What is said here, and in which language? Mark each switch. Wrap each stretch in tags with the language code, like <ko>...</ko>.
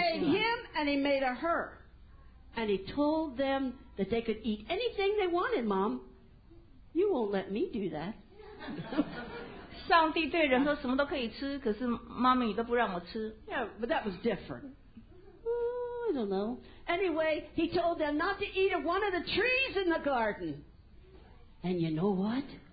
<en>He made him and he made a her. And he told them that they could eat anything they wanted, Mom. You won't let me do that.</en> <zh>上帝对人说什么都可以吃，可是妈咪都不让我吃。</zh> <en>Yeah, but that was different. I don't know. Anyway, he told them not to eat of one of the trees in the garden. And you know what?</en>